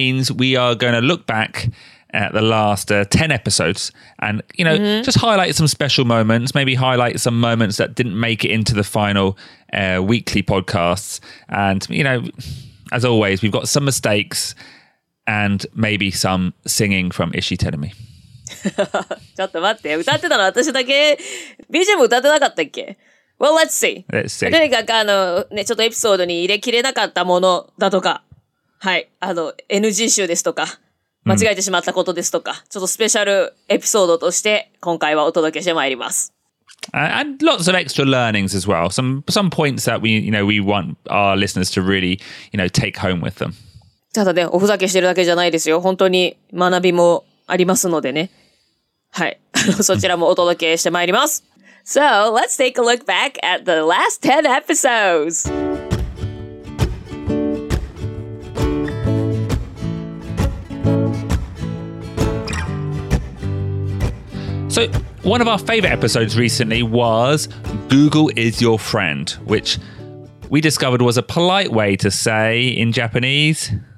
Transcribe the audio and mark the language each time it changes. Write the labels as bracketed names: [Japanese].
[English] we are going to look back at the last 10 episodes and, you know, just highlight some special moments, maybe highlight some moments that didn't make it into the final weekly podcasts. And, you know, as always, we've got some mistakes and maybe some singing from Ishii Terumi. [Japanese] ちょっと待って、歌ってたの私だけ?BGM歌ってなかったっけ? [English] Well, let's see. [Japanese] 何かあの、ね、ちょっとエピソードに入れきれなかったものだとか、はい、あの、NG 集ですとか、間違えてしまったことですとか、ちょっとスペシャルエピソードとして今回はお届けしてまいります。 [English] And lots of extra learnings as well. Some points that we, you know, we want our listeners to really, you know, take home with them. [Japanese] ただね、おふざけしてるだけじゃないですよ。本当に学びもありますのでね。はい。そちらもお届けしてまいります。 [English] So, let's take a look back at the last 10 episodes! So, one of our favorite episodes recently was Google is your friend, which we discovered was a polite way to say in Japanese...